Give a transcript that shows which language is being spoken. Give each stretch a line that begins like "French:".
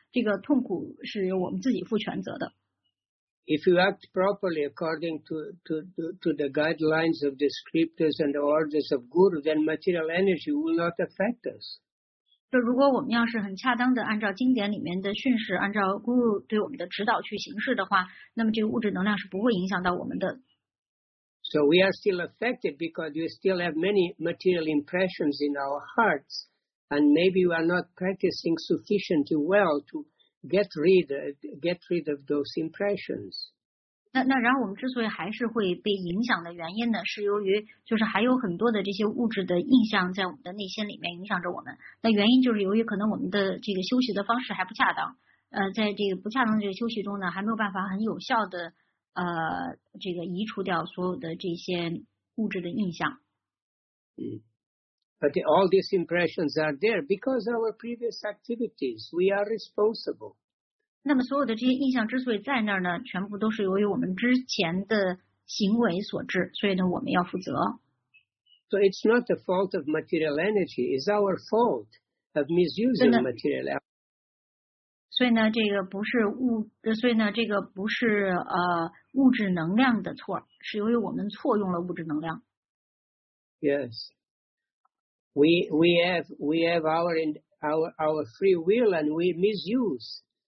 Chinese: 这个痛苦是我们自己负全责的。
English: If you act properly according to the guidelines of the scriptures and the orders of Guru, then material energy will not affect us.
Chinese: 就如果我们要是很恰当的按照经典里面的训示，按照 Guru 对我们的指导去行事的话，那么这个物质能量是不会影响到我们的。
English: So we are still affected because we still have many material impressions in our hearts, and maybe we are not practicing sufficiently well to get rid of those impressions.
Chinese: 那然后我们之所以还是会被影响的原因呢，是由于就是还有很多的这些物质的印象在我们的内心里面影响着我们。那原因就是由于可能我们的这个休息的方式还不恰当，在这个不恰当的这个休息中呢，还没有办法很有效的这个移除掉所有的这些物质的印象。
English: But all these impressions are there because of our previous activities. We are responsible.
Chinese: 那么所有的这些印象之所以在那儿呢，全部都是由于我们之前的行为所致，所以呢，我们要负责。
English: So it's not the fault of material energy, it's our fault of misusing material energy.
Chinese: 所以呢，这个不是物质能量的错，是由于我们错用了物质能量。
English: Yes, we have our free will and we misuse.